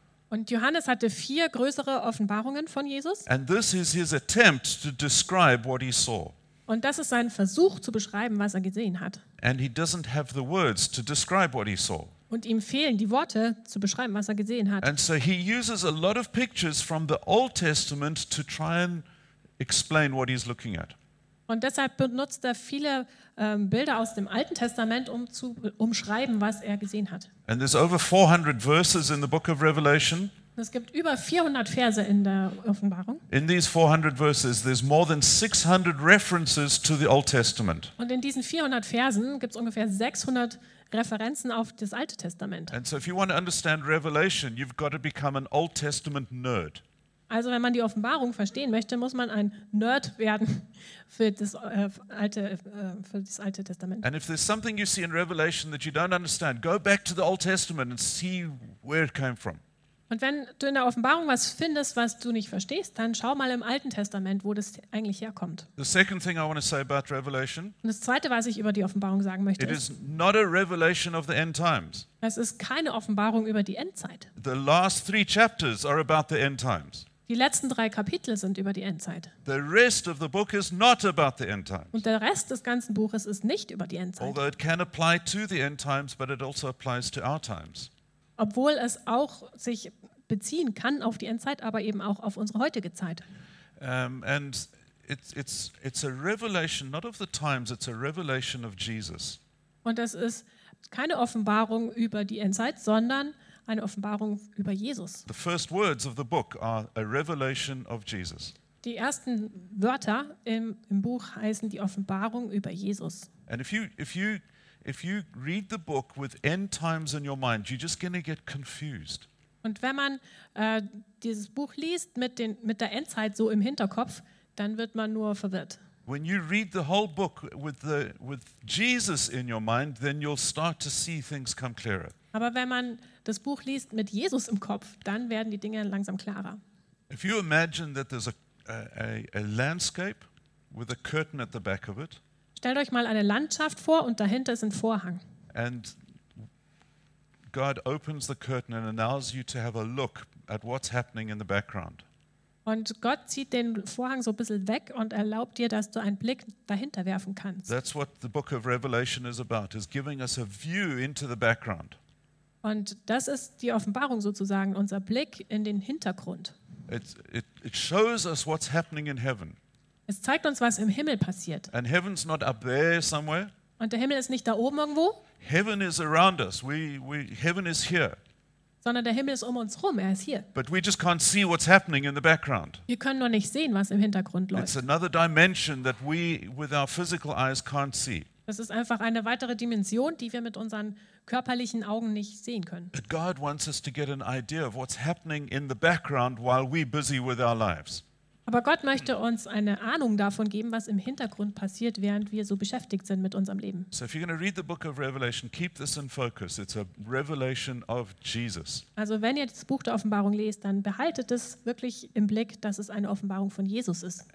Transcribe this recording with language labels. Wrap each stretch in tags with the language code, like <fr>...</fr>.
<de>Und Johannes hatte 4 größere Offenbarungen von Jesus.</de> <en>And this is his attempt to describe what he saw.</en> <de>Und das ist sein Versuch zu beschreiben, was er gesehen hat.</de> <en>And he doesn't have the words to describe what he saw.</en> <de>Und ihm fehlen die Worte zu beschreiben, was er gesehen hat.</de> <en>And so he uses a lot of pictures from the Old Testament to try and explain what he's looking at.</en> <de>Und deshalb benutzt er viele Bilder aus dem Alten Testament, um zu umschreiben, was er gesehen hat.</de> <en>And there's over 400 verses in the book of Revelation.</en> <de>Es gibt über 400 Verse in der Offenbarung.</de> <en>In these 400 verses there's more than 600 references to the Old Testament.</en> <de>Und in diesen 400 Versen gibt's ungefähr 600 Referenzen auf das Alte Testament.</de> <en>And so if you want to understand Revelation, you've got to become an Old Testament nerd.</en> <de>Also, wenn man die Offenbarung verstehen möchte, muss man ein Nerd werden für das alte Testament.</de> <en>And if there's something you see in Revelation that you don't understand, go back to the Old Testament and see where it came from.</en> <de>Und wenn du in der Offenbarung was findest, was du nicht verstehst, dann schau mal im Alten Testament, wo das eigentlich herkommt.</de> <en>The second thing I want to say about Revelation.</en> <de>Und das zweite, was ich über die Offenbarung sagen möchte,</de> <en>it is not a revelation of the end times.</en> <de>Es ist keine Offenbarung über die Endzeit.</de> <en>The last 3 chapters are about the end times.</en> <de>Die letzten 3 Kapitel sind über die Endzeit.</de> <en>The rest of the book is not about the end times.</en> <de>Und der Rest des ganzen Buches ist nicht über die Endzeit.</de> <en>Although it can apply to the end times, but it also applies to our times.</en> <de>Obwohl es auch sich beziehen kann auf die Endzeit, aber eben auch auf unsere heutige Zeit.</de> <en>And it's a revelation not of the times, it's a revelation of Jesus.</en> <de>Und das ist keine Offenbarung über die Endzeit, sondern eine Offenbarung über Jesus.</de> <en>The first words of the book are a revelation of Jesus.</en> <de>Die ersten Wörter im Buch heißen die Offenbarung über Jesus.</de> <en>And if you read the book with end times in your mind, you're just going to get confused.</en> <de>Und wenn man dieses Buch liest mit der Endzeit so im Hinterkopf, dann wird man nur verwirrt.</de> <en>When you read the whole book with Jesus in your mind, then you'll start to see things come clearer.</en> <de>Aber wenn man das Buch liest mit Jesus im Kopf, dann werden die Dinge langsam klarer.</de> <en>If you imagine that there's a landscape with a curtain at the back of it.</en> <de>Stellt euch mal eine Landschaft vor und dahinter ist ein Vorhang.</de> <en>And God opens the curtain and allows you to have a look at what's happening in the background.</en> <de>Und Gott zieht den Vorhang so ein bisschen weg und erlaubt dir, dass du einen Blick dahinter werfen kannst.</de> <en>That's what the book of Revelation is about, is giving us a view into the background.</en> <de>Und das ist die Offenbarung sozusagen, unser Blick in den Hintergrund.</de> <en>It shows us what's happening in heaven.</en> <de>Es zeigt uns, was im Himmel passiert.</de> <en>And heaven's not up there somewhere.</en> <de>Und der Himmel ist nicht da oben irgendwo.</de> <en>Heaven is around us. We heaven is here.</en> <de>Sondern der Himmel ist um uns rum, er ist hier.</de> <en>But we just can't see what's happening in the background.</en> <de>Wir können nur nicht sehen, was im Hintergrund läuft.</de> <en>It's another dimension that we with our physical eyes can't see.</en> <de>Das ist einfach eine weitere Dimension, die wir mit unseren körperlichen Augen nicht sehen können.</de> <en>But God wants us to get an idea of what's happening in the background while we're busy with our lives.</en> <de>Aber Gott möchte uns eine Ahnung davon geben, was im Hintergrund passiert, während wir so beschäftigt sind mit unserem Leben.</de> <en>So if you're going to read the book of Revelation, keep this in focus. It's a revelation of Jesus.</en> <de>Also wenn ihr das Buch der Offenbarung lest, dann behaltet es wirklich im Blick, dass es eine Offenbarung von Jesus ist.</de>